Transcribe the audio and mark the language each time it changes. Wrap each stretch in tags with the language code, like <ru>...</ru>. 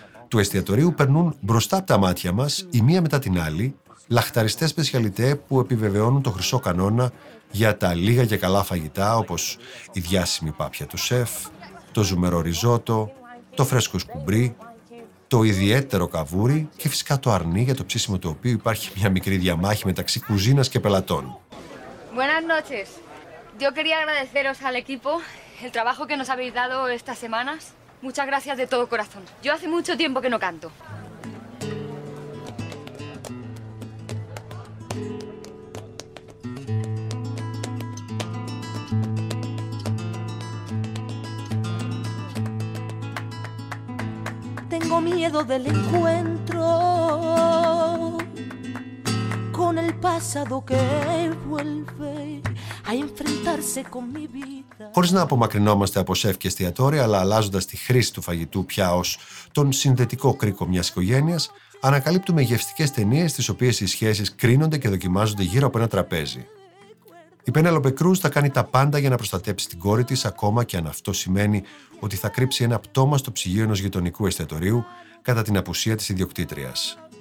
<el>του εστιατορίου περνούν μπροστά από τα μάτια μας, η μία μετά την άλλη, λαχταριστές σπεσιαλιτέ που επιβεβαιώνουν το χρυσό κανόνα για τα λίγα και καλά φαγητά, όπως η διάσημη πάπια του σεφ, το ζουμερό ριζότο, το φρέσκο σκουμπρί, το ιδιαίτερο καβούρι και φυσικά το αρνί, για το ψήσιμο του οποίου υπάρχει μια μικρή διαμάχη μεταξύ κουζίνας και πελατών.</el> <es>Buenas noches. Yo quería agradeceros al equipo el trabajo que nos habéis dado estas semanas. Muchas gracias de todo corazón. Yo hace mucho tiempo que no canto. Tengo miedo del encuentro con el pasado que vuelve.</es> <el>Χωρίς να απομακρυνόμαστε από σεφ και εστιατόρια, αλλά αλλάζοντας τη χρήση του φαγητού πια ως τον συνδετικό κρίκο μιας οικογένειας, ανακαλύπτουμε γευστικές ταινίες στις οποίες οι σχέσεις κρίνονται και δοκιμάζονται γύρω από ένα τραπέζι. Η Πενέλοπε Κρούζ θα κάνει τα πάντα για να προστατέψει την κόρη της, ακόμα και αν αυτό σημαίνει ότι θα κρύψει ένα πτώμα στο ψυγείο ενός γειτονικού εστιατορίου κατά την απουσία της ιδιοκτήτριας.</el>